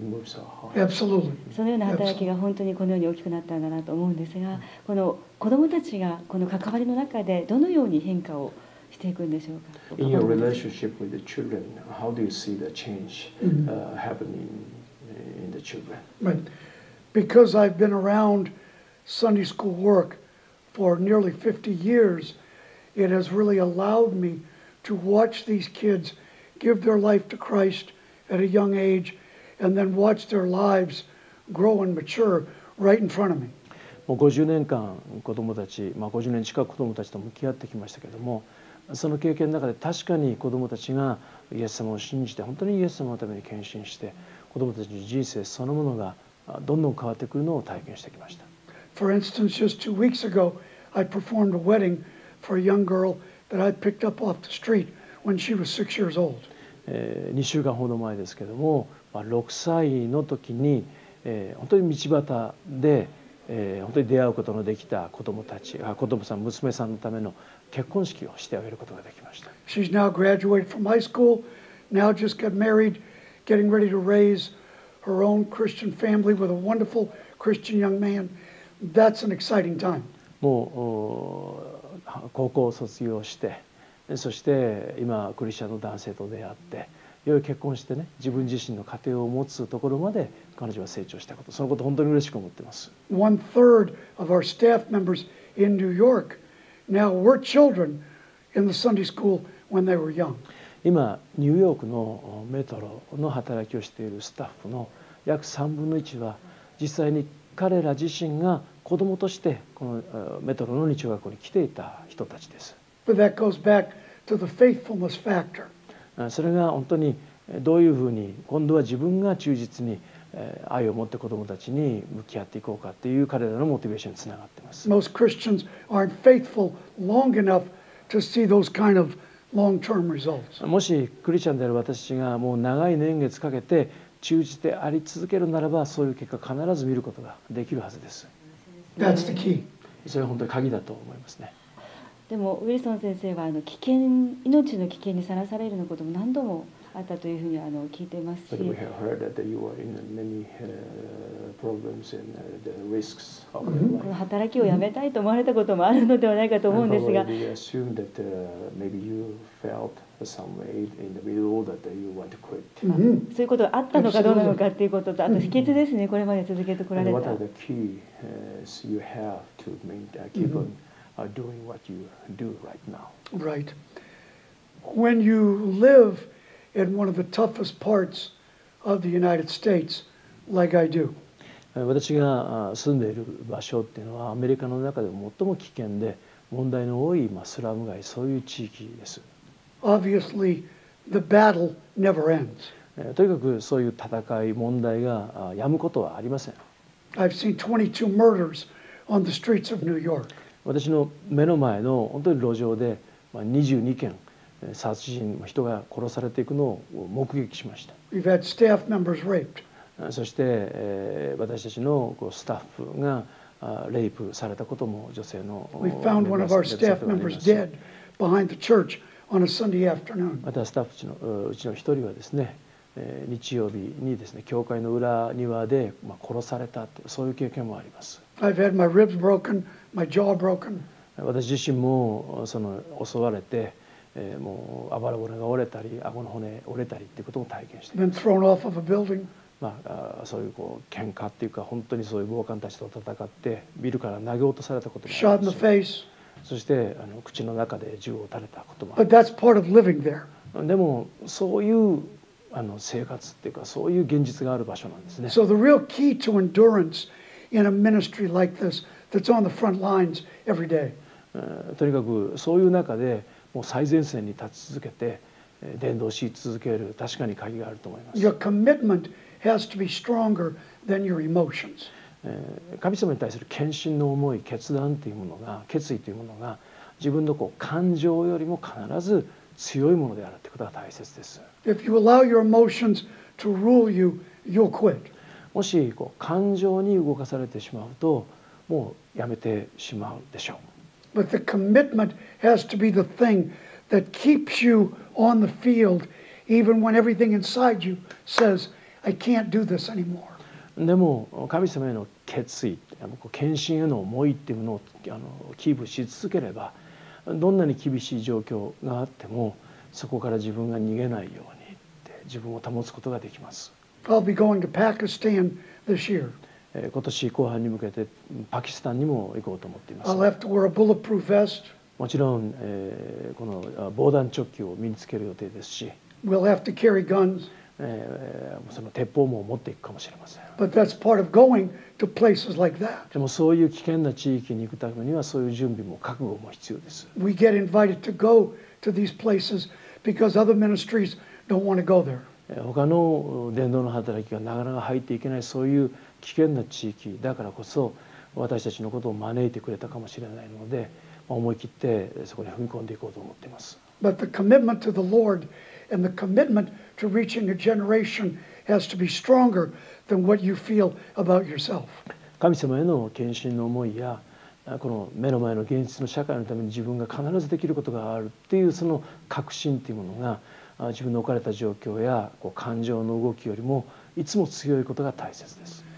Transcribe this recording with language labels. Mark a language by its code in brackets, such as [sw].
[ja] そのような働きが本当にこのように大きくなったんだなと思うんですが、この子どもたちがこの関わりの中でどのように変化をしていくんでしょうか。 [en] In your relationship with the children, how do you see the change happening in the children? Because I've been around Sunday school work for nearly 50 years, it has really allowed me to watch these kids give their life to Christ at a young age and then watch their lives grow and mature right in front of me. [ja] もう50年間子どもたち、まあ、50年近く子どもたちと向き合ってきましたけれども、その経験の中で確かに子どもたちがイエス様を信じて、本当にイエス様のために献身して、子どもたちの人生そのものがどんどん変わってくるのを体験してきました。 [en] For instance, just 2 weeks ago, I performed a wedding for a young girl that I picked up off the street when she was 6 years old. [ja] 2週間ほど前ですけども、まあ、6歳の時に、本当に道端で、本当に出会うことのできた子供たち、子供さん、娘さんのための結婚式をしてあげることができました。 [en] She's now graduated from high school, now just got married, getting ready to raise. Her own Christian family with a wonderful Christian young man. That's an exciting time. [ja] もう高校を卒業して、そして今クリスチャンの男性と出会って、よい結婚してね、自分自身の家庭を持つところまで彼女は成長したこと、そのこと本当に嬉しく思っています。 [en] One third of our staff members in New York now were children in the Sunday school when they were young. [ja] 今ニューヨークのメトロの働きをしているスタッフの約3分の1は、実際に彼ら自身が子どもとしてこのメトロの日中学校に来ていた人たちです。 [en] But that goes back to the faithfulness factor. [ja] それが本当にどういうふうに今度は自分が忠実に愛を持って子どもたちに向き合っていこうかという彼らのモチベーションにつながっています。 [en] Most Christians aren't faithful long enough to see those kind ofLong-term results. [ja] もしクリスチャンである私がもう長い年月かけて忠実であり続けるならば、そういう結果必ず見ることができるはずです。 [en] That's the key. [ja] それは本当に鍵だと思いますね。でもウィルソン先生は危険、命の危険にさらされるようなことも何度もあったというふうに聞いていますし、 [en] But we have heard that you are in many problems and the risks of life. [ja] この働きをやめたいと思われたこともあるのではないかと思うんですが、 [en] And probably we assume that maybe you felt some way in the middle that you want to quit. [ja] そういうことがあったのかどうなのかということと、あと秘訣ですね、これまで続けてこられた。 [en] And what are the keys you have to maintain, keep on doing what you do right now? Right. When you liveIn one of the toughest parts of the United States, like I do. [ja] 私が住んでいる場所っていうのはアメリカの中でも最も危険で問題の多いスラム街、そういう地域です。 [en] Obviously, the battle never ends. [ja] とにかくそういう戦い、問題が止むことはありません。 [en] I've seen 22 murders on the streets of New York. [ja] 私の目の前の本当に路上で22件。殺人、人が殺されていくのを目撃しました。 [en] We've had staff members raped. [ja] そして私たちのスタッフがレイプされたことも、女性の [en] We found one of our staff members dead behind the church on a Sunday afternoon. [ja] またスタッフのうちの一人はですね、日曜日にですね、教会の裏庭で殺された、そういう経験もあります。 [en] I've had my ribs broken, my jaw broken. [ja] 私自身もその襲われて、もうあばら骨が折れたり、顎の骨折れたりっていうことも体験して、 [en] Then thrown off of a building. [ja] まあそういうこう喧嘩っていうか、本当にそういう暴漢たちと戦ってビルから投げ落とされたこともあります。 [en] Shot in the face. [ja] そして口の中で銃を撃たれたこともあります [en] 。But that's part of living there. [ja] でもそういう生活っていうか、そういう現実がある場所なんですね。 [en] So the real key to endurance in a ministry like this that's on the front lines every day. [ja] とにかくそういう中でもう最前線に立ち続けて伝道し続ける、確かに鍵があると思います。 [en] Your commitment has to be stronger than your emotions. [ja] 神様に対する献身の思い、決断というものが、決意というものが、自分のこう感情よりも必ず強いものであるということが大切です。 [en] If you allow your emotions to rule you, you'll quit. [ja] もしこう感情に動かされてしまうと、もうやめてしまうでしょう。 [en] But the commitment has to be the thing that keeps you on the field, even when everything inside you says, I can't do this anymore. [ja] でも神様への決意、献身への思いっていうものをキープし続ければ、どんなに厳しい状況があっても、そこから自分が逃げないようにって自分を保つことができます。 [en] I'll be going to Pakistan this year. [ja] 今年後半に向けてパキスタンにも行こうと思っています。 [en] I'll have to wear a bulletproof vest. [ja] もちろん、この防弾チョッキを身につける予定ですし、 [en] We'll have to carry guns. [ja] その鉄砲も持っていくかもしれません。 [en] But that's part of going to places like that. [ja] でもそういう危険な地域に行くためには、そういう準備も覚悟も必要です。 [en] We get invited to go to these places because other ministries don't want to go there. [ja] 他の伝道の働きがなかなか入っていけない、そういう危険な地域だからこそ、私たちのことを招いてくれたかもしれないので、思い切ってそこに踏み込んでいこうと思っています。 [en] But the commitment to the Lord and the commitment to reaching a generation has to be stronger than what you feel about yourself. [ja] 神様への献身の思いや、この目の前の現実の社会のために自分が必ずできることがあるっていう、その確信っていうものが、自分の置かれた状況やこう感情の動きよりもいつも強いことが大切です。